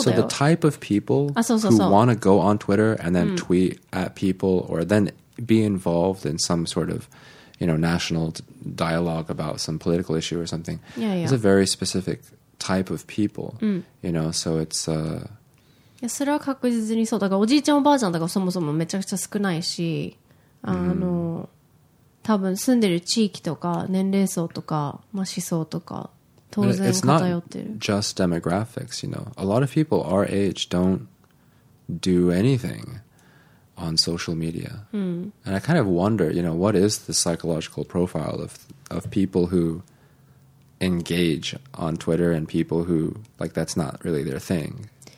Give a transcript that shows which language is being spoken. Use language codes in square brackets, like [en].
[en] the type of people who want to go on Twitter and then tweet at people or then be involved in some sort of, you know, national dialogue about some political issue or something is a very specific type of people, you know, so it's... [ja] それは確実にそう。だからおじいちゃんおばあちゃんとかそもそもめちゃくちゃ少ないし、あの、多分住んでる地域とか年齢層とか、まあ思想とか、 [en] It's not just demographics, you know. A lot of people our age don't do anything on social media. And I kind of wonder, you know, what is the psychological profile of people who engage on Twitter and people who, like, that's not really their thing.